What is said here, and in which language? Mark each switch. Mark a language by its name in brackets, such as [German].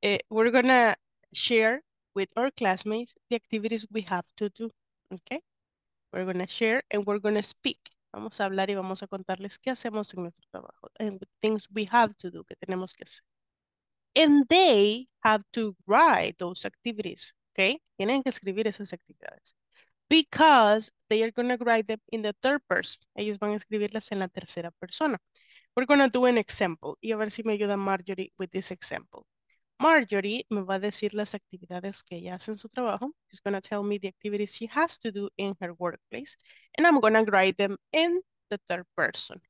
[English] We're gonna share with our classmates the activities we have to do. Okay? We're gonna share and we're gonna speak. [Spanish] Vamos a hablar y vamos a contarles qué hacemos en nuestro trabajo. [English] And things we have to do, [Spanish] que tenemos que hacer. [English] And they have to write those activities. Okay? [Spanish] Tienen que escribir esas actividades. [English] Because they are going to write them in the third person. [Spanish] Ellos van a escribirlas en la tercera persona. [English] We're going to do an example. [Spanish] Y a ver si me ayuda Marjorie [English] with this example. [Spanish] Marjorie me va a decir las actividades que ella hace en su trabajo. [English] She's going to tell me the activities she has to do in her workplace. And I'm going to write them in the third person.